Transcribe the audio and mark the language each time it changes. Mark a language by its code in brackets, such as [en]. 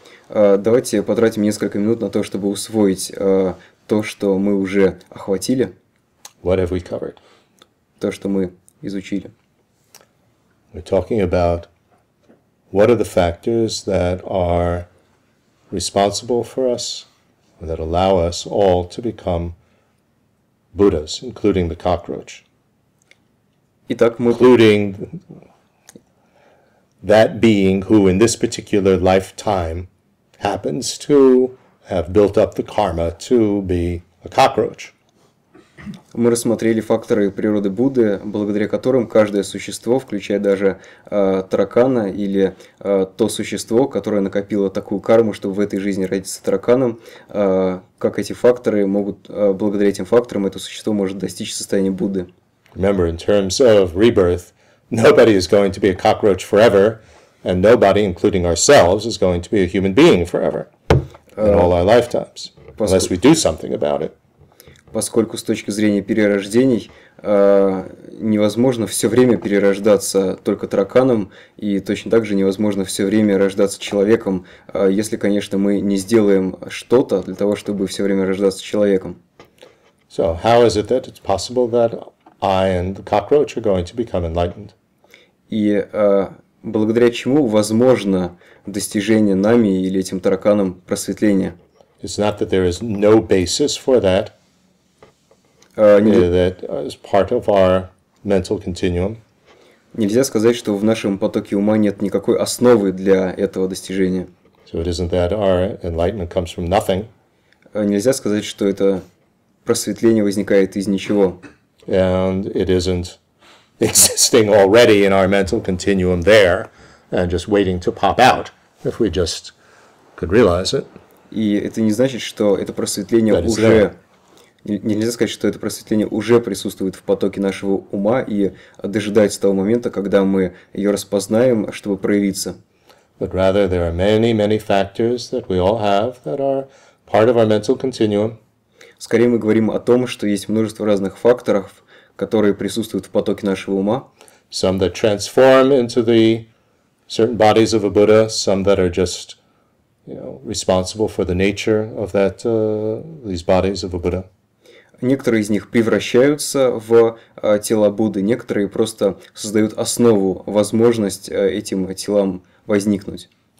[ru] Давайте потратим несколько минут на то, чтобы усвоить то, что мы уже охватили. [en] What have we covered? [ru] То, что мы изучили. [en] We're talking about what are the factors that are responsible for us, that allow us all to become Buddhas, including the cockroach. [ru] Итак, мы... [en] Including that being who in this particular lifetime happens to have built up the karma to be a cockroach. [ru] Мы рассмотрели факторы природы Будды, благодаря которым каждое существо, включая даже таракана или то существо, которое накопило такую карму, чтобы в этой жизни родиться тараканом, как эти факторы могут, благодаря этим факторам, это существо может достичь состояния Будды. [en] Remember, in terms of rebirth, nobody is going to be a cockroach forever, and nobody, including ourselves, is going to be a human being forever. in all our lifetimes, unless we do something about it. [ru] Поскольку с точки зрения перерождений невозможно все время перерождаться только тараканом, и точно так же невозможно все время рождаться человеком, если, конечно, мы не сделаем что-то для того, чтобы все время рождаться человеком. [en] So, how is it that it's possible that I and the cockroach are going to become enlightened? [ru] И благодаря чему возможно достижение нами или этим тараканом просветления? [en] It's not that there is no basis for that. That is part of our mental continuum. [ru] Нельзя сказать, что в нашем потоке ума нет никакой основы для этого достижения. [en] So it isn't that our enlightenment comes from nothing. [ru] Нельзя сказать, что это просветление возникает из ничего. [en] And it isn't existing already in our mental continuum there and just waiting to pop out if we just could realize it. [ru] И это не значит, что это просветление уже... Нельзя сказать, что это просветление уже присутствует в потоке нашего ума и дожидается того момента, когда мы ее распознаем, чтобы проявиться. [en] But rather there are many, many factors that we all have that are part of our mental continuum. [ru] Скорее мы говорим о том, что есть множество разных факторов, которые присутствуют в потоке нашего ума. [en] Some that transform into the certain bodies of a Buddha, some that are just, you know, responsible for the nature of that, these bodies of a Buddha. [ru] Некоторые из них превращаются в тела Будды, некоторые просто создают основу, возможность этим телам возникнуть.